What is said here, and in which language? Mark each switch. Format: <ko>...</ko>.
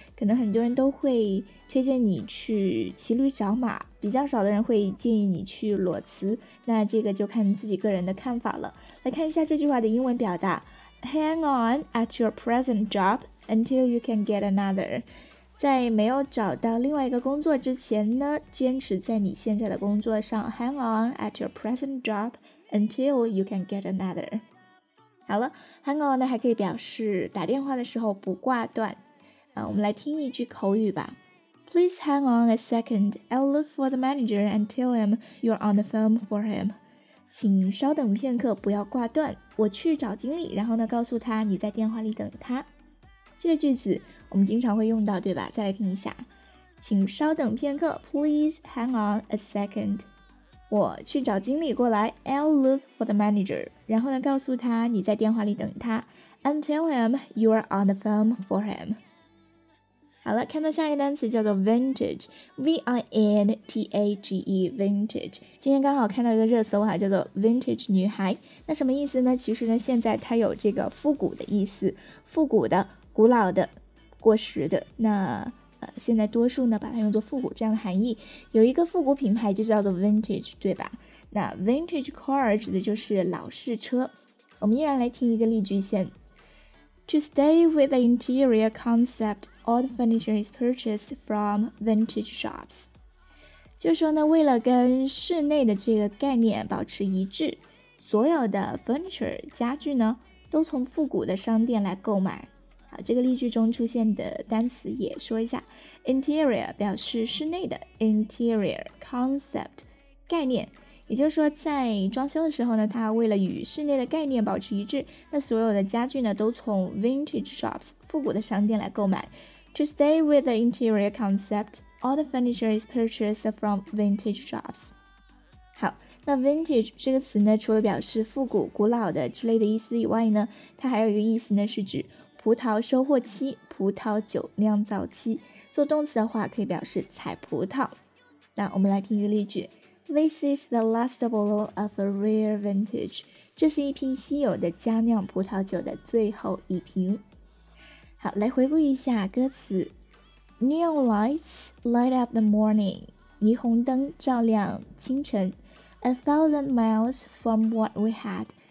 <zh>可能很多人都会推荐你去骑驴找马，比较少的人会建议你去裸辞，那这个就看自己个人的看法了。来看一下这句话的英文表达</zh> <en>：Hang on at your present job until you can get another。</en> <zh>在没有找到另外一个工作之前呢，坚持在你现在的工作上。</zh> <en>Hang on at your present job until you can get another。</en> <zh>好了 ，hang on 呢还可以表示打电话的时候不挂断。我们来听一句口语吧。</zh> <en>Please hang on a second. I'll look for the manager and tell him you're on the phone for him.</en> <zh>请稍等片刻，不要挂断。我去找经理，然后呢，告诉他你在电话里等他。这个句子我们经常会用到，对吧？再来听一下。请稍等片刻。</zh> <en>Please hang on a second.</en> <zh>我去找经理过来。</zh> <en>I'll look for the manager.</en> <zh>然后呢，告诉他你在电话里等他。</zh> <en>And tell him you're on the phone for him.</en> <zh>好了，看到下一个单词叫做 vintage，V-I-N-T-A-G-E， vintage。今天刚好看到一个热搜哈，叫做 vintage 女孩。那什么意思呢？其实呢，现在它有这个复古的意思，复古的、古老的、过时的。那现在多数呢把它用作复古这样的含义。有一个复古品牌就叫做 vintage， 对吧？那 vintage car 指的就是老式车。我们依然来听一个例句先。</zh> <en>To stay with the interior concept, all the furniture is purchased from vintage shops.</en> <zh>就说呢，为了跟室内的这个概念保持一致，所有的 furniture 家具呢，都从复古的商店来购买。好，这个例句中出现的单词也说一下。 Interior 表示室内的 interior concept 概念。也就是说在装修的时候呢，他为了与室内的概念保持一致，那所有的家具呢都从 vintage shops 复古的商店来购买。</zh> <en>To stay with the interior concept, all the furniture is purchased from vintage shops.</en> <zh>好，那 vintage 这个词呢，除了表示复古、古老的之类的意思以外呢，它还有一个意思呢，是指葡萄收获期、葡萄酒酿造期。做动词的话可以表示采葡萄。那我们来听一个例句。</zh> <en>This is the last bottle of a rare vintage.</en> <zh>这是一瓶稀有的佳酿葡萄酒的最后一瓶。好，来回顾一下歌词。</zh> <en>Neon lights light up the morning.</en> <zh>霓虹灯照亮清晨。</zh> <en>A thousand miles from what we had.</en>